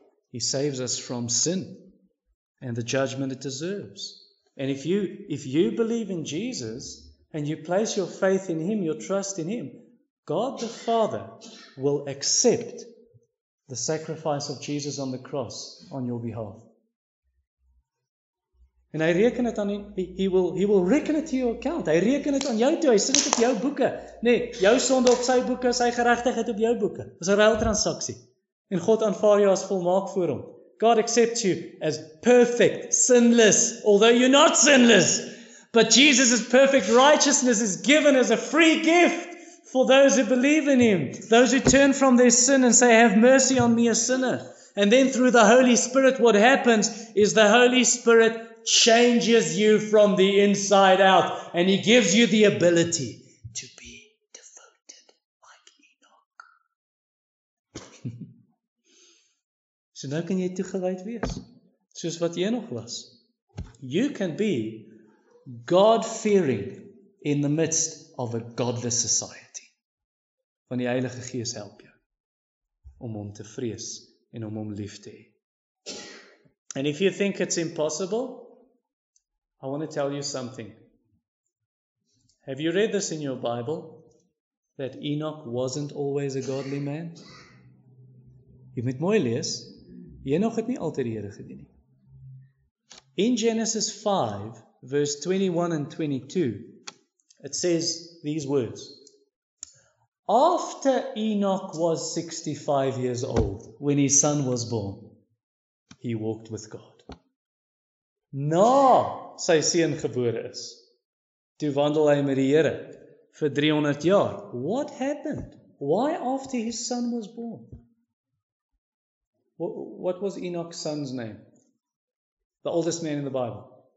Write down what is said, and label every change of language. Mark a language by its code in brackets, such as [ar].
[en] He saves us from sin and the judgment it deserves. And if you believe in Jesus and you place your faith in Him, your trust in Him, God the Father will accept the sacrifice of Jesus on the cross on your behalf. [af] En hy reken het aan, [en] he will reken het to your account. [af] Hy reken het aan jou toe, hy sit het op jou boeke. Nee, jou sonde op sy boeke, sy geregtigheid op jou boeke. Dit is 'n ruiltransaksie. En God aanvaar jou as volmaak voor hom. [en] God accepts you as perfect, sinless, although you're not sinless. But Jesus' perfect righteousness is given as a free gift for those who believe in Him, those who turn from their sin and say, have mercy on me, a sinner. And then through the Holy Spirit, what happens is the Holy Spirit changes you from the inside out and He gives you the ability to be devoted like Enoch. [af] So nou kan jy toegewyd wees, soos wat Enoch was. [en] You can be God-fearing in the midst of a godless society. [af] Want die Heilige Gees help jou om hom te vrees en om hom lief te hê. [en] And if you think it's impossible, I want to tell you something. Have you read this in your Bible? That Enoch wasn't always a godly man? [af] Jy moet mooi lees. Enoch het nie altyd die Here gedien nie. [en] In Genesis 5 verse 21 and 22, it says these words. After Enoch was 65 years old, when his son was born, he walked with God. [af] Na sy seun gebore is, toe wandel hy met die Here vir 300 jaar. [en] What happened? Why after his son was born? What was Enoch's son's name? The oldest man in the Bible.